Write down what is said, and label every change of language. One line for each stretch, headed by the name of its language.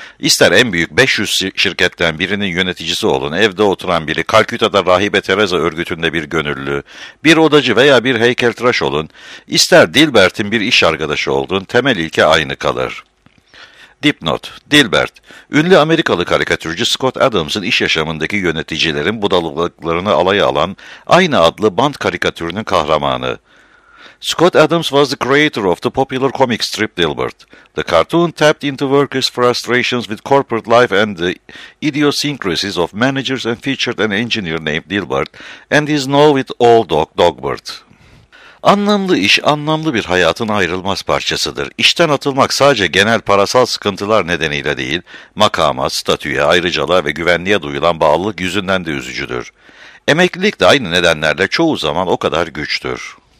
Turkish: İster en büyük 500 şirketten birinin yöneticisi olun, evde oturan biri, Kalküta'da Rahibe Teresa örgütünde bir gönüllü, bir odacı veya bir heykeltıraş olun, ister Dilbert'in bir iş arkadaşı olun, temel ilke aynı kalır. Dipnot, Dilbert, ünlü Amerikalı karikatürcü Scott Adams'ın iş yaşamındaki yöneticilerin budalalıklarını alaya alan aynı adlı bant karikatürünün kahramanı.
English: Scott Adams was the creator of the popular comic strip Dilbert. The cartoon tapped into workers' frustrations with corporate life and the idiosyncrasies of managers and featured an engineer named Dilbert and his know-it-all dog, Dogbert.
Turkish: Anlamlı iş, anlamlı bir hayatın ayrılmaz parçasıdır. İşten atılmak sadece genel parasal sıkıntılar nedeniyle değil, makama, statüye, ayrıcalığa ve güvenliğe duyulan bağlılık yüzünden de üzücüdür. Emeklilik de aynı nedenlerle çoğu zaman o kadar güçtür.